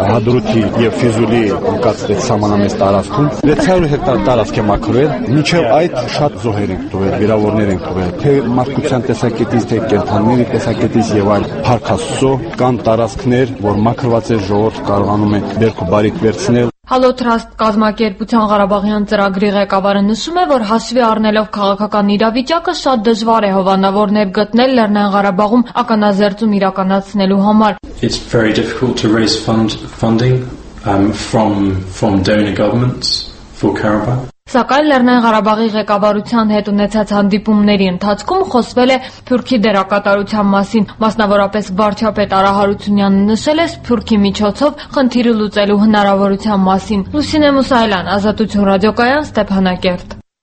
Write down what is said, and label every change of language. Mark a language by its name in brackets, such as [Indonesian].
[Armenian] Հադրութի եւ Ֆիզուլի ընկածած համանամեծ տարածքում 600 հեկտար տարածք է մաքրվել, միջով այդ շատ զոհեր են տվել, վիրավորներ են տվել, թե մարդկության տեսակետից, թե կենդանիների տեսակետից եւ այլ փարքաստո կան տարածքներ, որ մաքրված են ժողովուրդ կարողանում է Верку Барик Верцнел. Հալոթրաստ կազմակերպության Ղարաբաղյան ծրագրի ղեկավարը նշում է, որ հասվի առնելով քաղաքական իրավիճակը շատ դժվար է հովանավորներ գտնել Լեռնային Ղարաբաղում ականաձերծում իրականացնելու համար. [English] It's very difficult to raise funding from donor governments for Karabakh. [Armenian] Սակայն Լեռնային Ղարաբաղի ղեկավարության հետ ունեցած հանդիպումների ընթացքում խոսվել է Սփյուռքի դերակատարության մասին։ Մասնավորապես վարչապետ Արահարությունյանը նշել է Սփյուռքի միջոցով խնդիրը լուծելու հնարավորության մասին։ Լուսինե Մուսալյան, Ազատություն ռադիոկայան, Ստեփանակերտ։